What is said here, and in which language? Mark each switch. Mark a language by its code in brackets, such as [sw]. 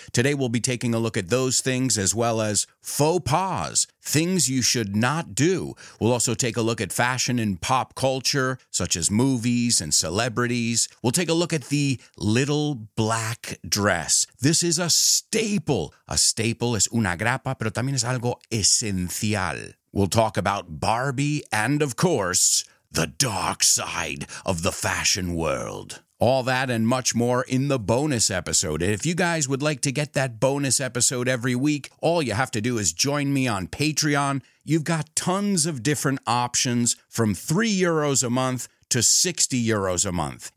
[en] Today we'll be taking a look at those things as well as faux pas, things you should not do. We'll also take a look at fashion and pop culture, such as movies and celebrities. We'll take a look at the little black dress. This is a staple. [es] A staple es una grapa, pero también es algo esencial. [en] We'll talk about Barbie and, of course, the dark side of the fashion world. All that and much more in the bonus episode. And if you guys would like to get that bonus episode every week, all you have to do is join me on Patreon. You've got tons of different options from €3 a month to €60 a month.